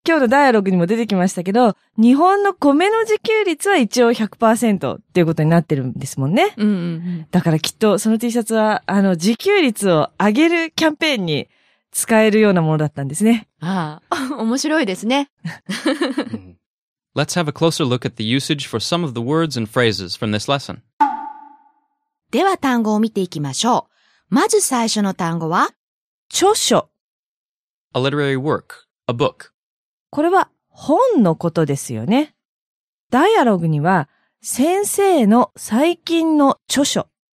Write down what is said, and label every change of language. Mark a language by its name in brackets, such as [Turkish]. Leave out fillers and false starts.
[Japanese] 今日のダイアログにも出てきましたけど、日本の米の自給率は一応 100% っていうことになってるんですもんね。うんうんうん、だからきっとその T シャツは、自給率を上げるキャンペーンに使えるようなものだったんですね。ああ、面白いですね。 [English] Let's have a closer look at the usage for some of the words and phrases from this lesson. [Japanese] では単語を見ていきましょう。まず最初の単語は、著書。 [English] A literary work. A book. [Japanese] これは本のことですよね。ダイアログには先生の最近の著書